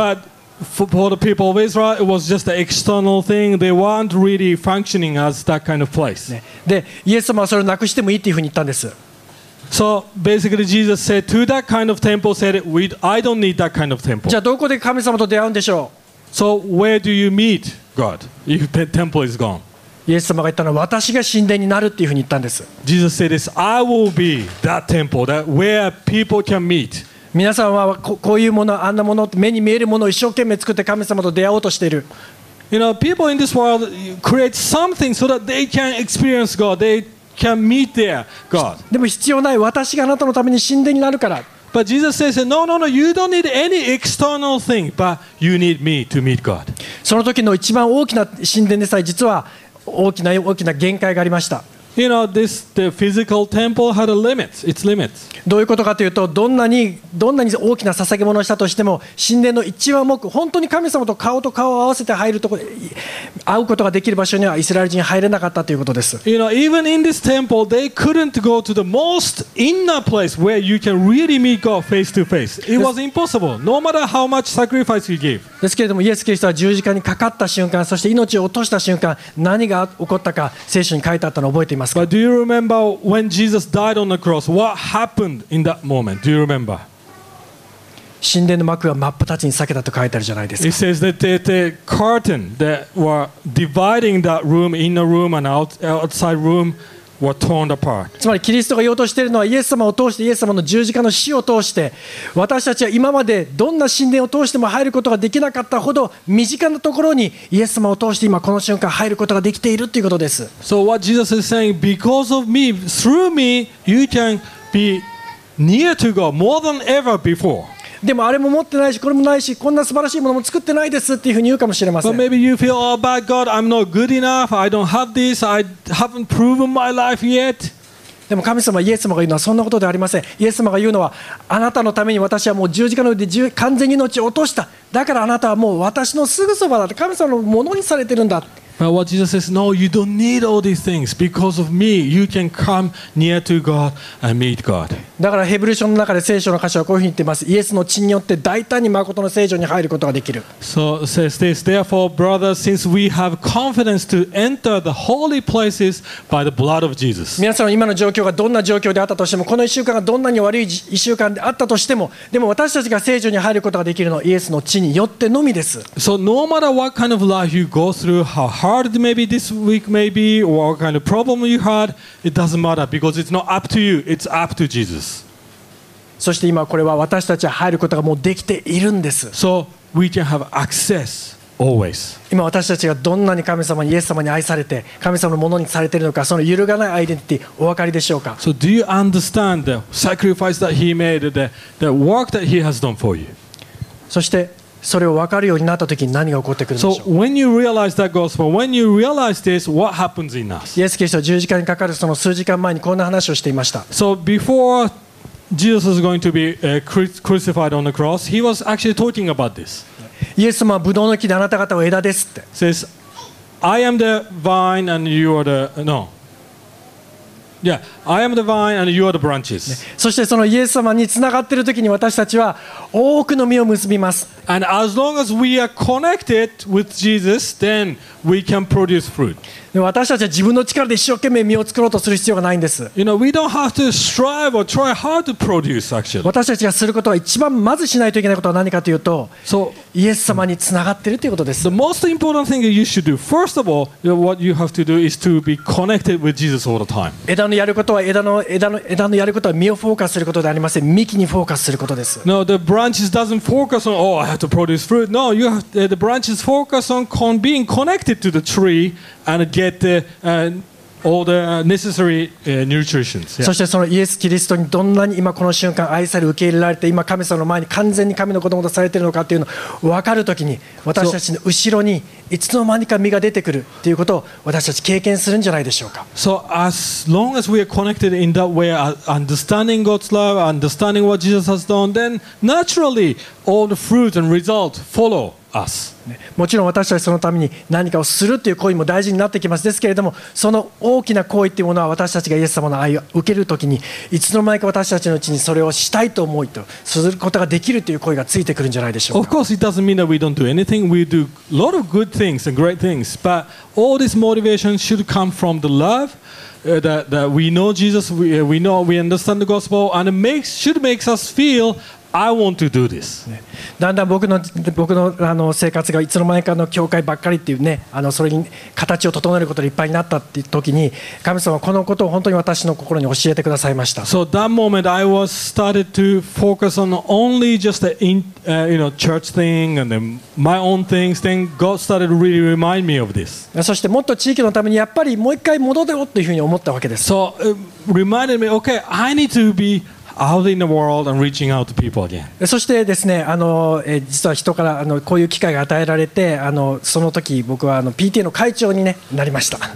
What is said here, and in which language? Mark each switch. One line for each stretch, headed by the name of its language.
English: But for the people of Israel, it was just an external thing. They weren't really functioning as that kind of place.、
Japanese: ね、で、イエス様はそれをなくしてもいいというふうに言ったんです。
English: So basically Jesus said to that kind of temple, said we, I don't need that kind of temple.
Japanese: じゃあどこで神様と出会うんでしょう?
English: So where do you meet God if the temple is gone?
Japanese: イエス様が言ったのは私が神殿になるっていうふうに言ったんです。
English: Jesus said this, I will be that temple, that where people can meet.
Japanese: 皆さんはこういうもの、あんなもの、目に見えるものを一生懸命作って神様と出会おうとしている。
English: You know, people in this world create something so that they can experience God. They can meet their God.
Japanese: でも必要ない。私があなたのために神殿になるから。
English: But Jesus says, no, no, no, you don't need any external thing, but you need me to meet God.
Japanese: その時の一番大きな神殿でさえ、実は大きな大きな限界がありました。
English: You know, this, the physical temple had a limit. Its limits.
Japanese: どういうことかというと、どんなに大きな捧げ物をしたとしても、神殿の一番重く、本当に神様と顔と顔を合わせて入るところ、会うことができる場所にはイスラエル人入れなかったということです。
English: You know, even in this temple, they couldn't go to the most inner place where you can really meet God face to face. It was impossible, no matter how much sacrifice you gave.
Japanese: ですけれども、イエス・キリストは十字架にかかった瞬間、そして命を落とした瞬間、何が起こったか、聖書に書いてあったのを覚えていますか?
English: But do you remember when Jesus died on the cross? What happened in that moment? Do you remember?
Japanese: 神殿の幕は真っ二つに裂けたと書いてあるじゃないですか?
English: It says that the curtain that were dividing that room, inner room and outside room, were torn apart.
Japanese: つまりキリストが言おうとしているのは、イエス様を通して、イエス様の十字架の死を通して、私たちは今までどんな神殿を通しても入ることができなかったほど身近なところにイエス様を通して今この瞬間入ることができているということです。
English: So what Jesus is saying, because of me, through me, you can be near to God more than ever before.
Japanese: でもあれも持ってないしこれもないしこんな素晴らしいものも作ってないですっていうふうに言うかもしれません。
English: But maybe you feel, oh, bad God, I'm not good enough. I don't have this. I haven't proven my life yet.
Japanese: でも神様、イエス様が言うのはそんなことではありません。イエス様が言うのは、あなたのために私はもう十字架の上で完全に命を落とした。だからあなたはもう私のすぐそばだって神様のものにされてるんだ。
English: But what Jesus says, no, you don't need all these things. Because of me, you can come near to God and meet God.
Japanese: だからヘブル書の中で聖書の箇所はこういうふうに言っています。イエスの血によって大胆に誠の聖所に入ることができる。
English: So it says this, therefore, brothers, since we have confidence to enter the holy places by the blood of Jesus.
Japanese: 皆さん、今の状況がどんな状況であったとしても、この一週間がどんなに悪い一週間であったとしても、でも私たちが聖所に入ることができるのはイエスの血によってのみです。
English: So no matter what kind of life you go through, how hard maybe this week maybe or what kind of problem you had it doesn't matter because it's not up to you it's up to Jesus
Japanese: そして今これは私たちは入ることがもうできているんです
English: so we can have access always
Japanese: 今私たちがどんなに神様にイエス様に愛されて神様のものにされているのかその揺るがないアイデンティティお分かりでしょうか
English: so do you understand the sacrifice that he made the work that he has done for you
Japanese: そしてそれを分かるようになったときに何が起こってくるでしょう
English: So when you realize that gospel, when you realize this, what happens in us?
Japanese: イエス・キリストは十字架にかかるその数時間前にこんな話をしていました。
English: So before Jesus was going to be crucified on the cross, he was actually talking about this.
Japanese: イエス様はブドウの木であなた方は枝ですって。
English: Says, I am the vine and you are the... No. Yeah, I am the vine and you are the branches.
Japanese: そしてそのイエス様につながっているときに私たちは多くの実を結びます。
English: And as long as we are connected with Jesus, then we can produce fruit.
Japanese: 私たちは自分の力で一生懸命実を作ろうとする必要がないんです。
English: You know, we don't have to strive or try hard to produce, actually.
Japanese: 私たちがすることは一番まずしないといけないことは何かというと、
English: So,
Japanese: イエス様につながっているということです。
English: The most important thing that you should do, first of all, you know, what you have to do is to be connected with Jesus all the time.
Japanese: 枝のやることは枝のやることは実をフォーカスすることではありません。幹にフォーカスすることです。
English: No, the branches doesn't focus on oh, I have to produce fruit. No, you have the branches focus on being connected to the tree and get the, all the necessary nutrition. Yeah.
Japanese: そしてそのイエス・キリストにどんなに今この瞬間愛され受け入れられて今神様の前に完全に神の子供とされているのかというのを分かるときに私たちの後ろにいつの間にか実が出てくるということを私たち経験するんじゃないでしょうか。
English: So as long as we are connected in that way, understanding God's love, understanding what Jesus has done, then naturally all the fruit and result follow. Us.
Japanese: もちろん私たちそのために何かをするという行為も大事になってきますですけれどもその大きな行為というものは私たちがイエス様の愛を受けるときにいつの間にか私たちのうちにそれをしたいと思いとすることができるという行為がついてくるんじゃないでしょうか
English: Of course it doesn't mean that we don't do anything We do a lot of good things and great things But all this motivation should come from the love that we know Jesus, we know, we understand the gospel, and it makes, should make us feel, I want to do this.
Japanese: だんだん僕の、あの生活がいつの間にかの教会ばっかりっていうね、あのそれに形を整えることでいっぱいになったっていう時に、神様はこのことを本当に私の心に教えてくださいました。
English: So that moment I was started to focus on only just the in, you know, church thing and then my own things. Then God started to really remind me of this.
Japanese: そしてもっと地域のためにやっぱりもう一回戻ろうっていうふうに思ったわけです。
English: So reminded me, okay, I need to beOut in the world and reaching out to people again.
Japanese: そしてですね、あの実は人からあのこういう機会が与えられて、あのその時僕はあの PTA の会長に、ね、なりました。